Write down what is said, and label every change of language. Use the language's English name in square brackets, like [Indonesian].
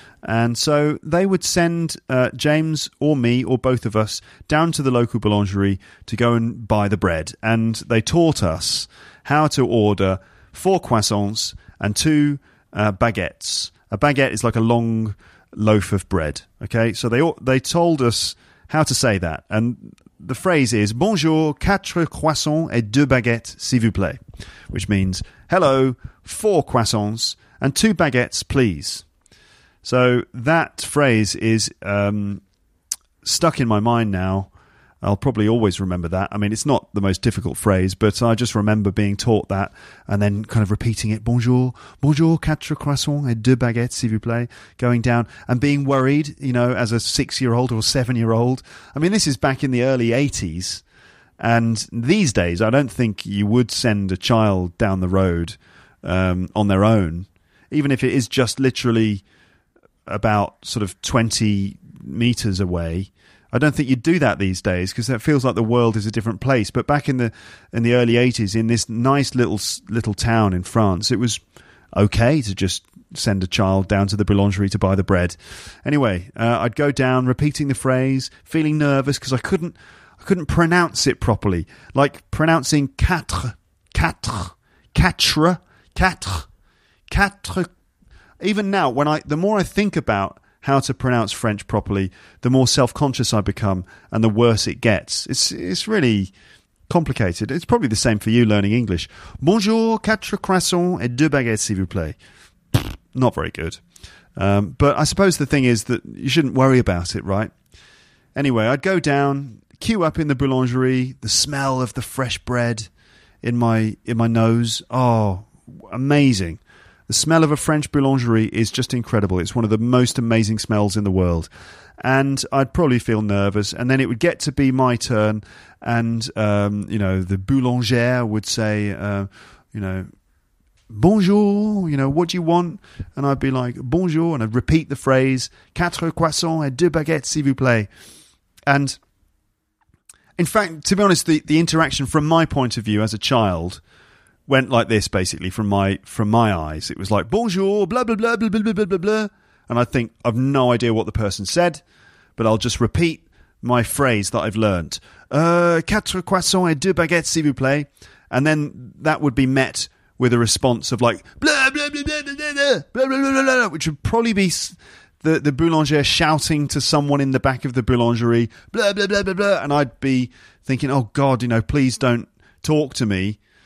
[English] And so they would send James or me or both of us down to the local boulangerie to go and buy the bread. And they taught us how to order four croissants and two baguettes. A baguette is like a long loaf of bread. Okay, so they told us how to say that. And the phrase is, [French] bonjour, quatre croissants et deux baguettes, s'il vous plaît. [English] Which means, hello, four croissants and two baguettes, please. So that phrase is stuck in my mind now. I'll probably always remember that. I mean, it's not the most difficult phrase, but I just remember being taught that and then kind of repeating it. [French] Bonjour, bonjour, quatre croissants et deux baguettes, s'il vous plaît. [English] Going down and being worried, you know, as a six-year-old or seven-year-old. I mean, this is back in the early 80s. And these days, I don't think you would send a child down the road on their own, even if it is just literally about sort of 20 meters away. I don't think you'd do that these days, because that feels like the world is a different place. But back in the early 80s, in this nice little town in France, it was okay to just send a child down to the boulangerie to buy the bread. Anyway, I'd go down repeating the phrase, feeling nervous because I couldn't pronounce it properly. Like pronouncing quatre, quatre, quatre, quatre, quatre. Even now, the more I think about how to pronounce French properly, the more self-conscious I become and the worse it gets. It's really complicated. It's probably the same for you learning English. [French] Bonjour, quatre croissants et deux baguettes, s'il vous plaît. [English] Not very good. But I suppose the thing is that you shouldn't worry about it, right? Anyway, I'd go down, queue up in the boulangerie, the smell of the fresh bread in my nose. Oh, amazing. The smell of a French boulangerie is just incredible. It's one of the most amazing smells in the world. And I'd probably feel nervous. And then it would get to be my turn. And, you know, the boulangère would say, you know, bonjour, you know, what do you want? And I'd be like, bonjour. And I'd repeat the phrase, [French] quatre croissants et deux baguettes, s'il vous plaît. [English] And in fact, to be honest, the interaction from my point of view as a child went like this, basically, from my eyes. It was like, bonjour, blah, blah, blah, blah, blah, blah, blah, blah, blah. And I think, I've no idea what the person said, but I'll just repeat my phrase that I've learned. [French] Quatre croissants et deux baguettes, s'il vous plaît. [English] And then that would be met with a response of like, blah, blah, blah, blah, blah, blah, blah, blah, blah, blah, blah, which would probably be the boulanger shouting to someone in the back of the boulangerie, blah, blah, blah, blah, blah. And I'd be thinking, oh, God, you know, please don't talk to me.